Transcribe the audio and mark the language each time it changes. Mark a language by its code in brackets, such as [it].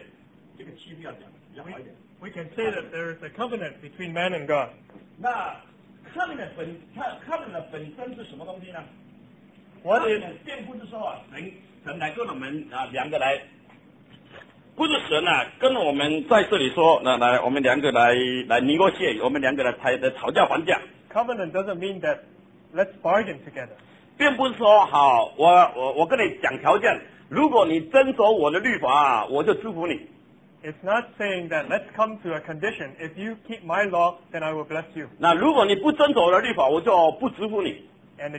[zh] 神啊，跟我们当中啊有一个covenant，covenant就是在这里有把它翻成契约，或者是约，这个契约要讲，讲好一点。 [en] We can say that there is a covenant between man and God. [zh] 那 covenant 本身是什么东西呢？ [en] What is [zh] 并不是说神来跟我们两个来，不是神啊跟我们在这里说，那来我们两个来negotiate，我们两个来吵架还价。 [en] Covenant doesn't mean that let's bargain together. [zh] 并不是说好，我跟你讲条件，如果你遵守我的律法，我就祝福你。 [en] It's not saying that let's come to a condition. If you keep my law, then I will bless you. [zh] 那如果你不遵守我的律法，我就不祝福你。 [en] And